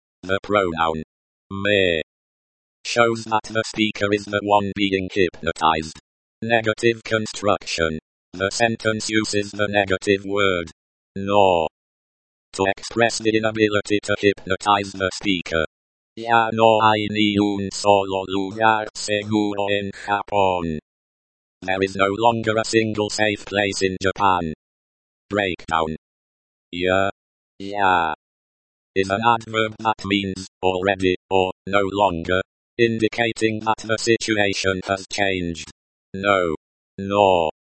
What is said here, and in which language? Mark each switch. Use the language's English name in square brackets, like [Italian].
[English] The pronoun me shows that the speaker is the one being hypnotized. Negative construction. The sentence uses the negative word no to express the inability to hypnotize the speaker. [Spanish] Ya no hay ni un solo lugar seguro en Japón. [English] There is no longer a single safe place in Japan. Breakdown. Ya. Ya. Is an adverb that means already or no longer, indicating that the situation has changed. No. Nor.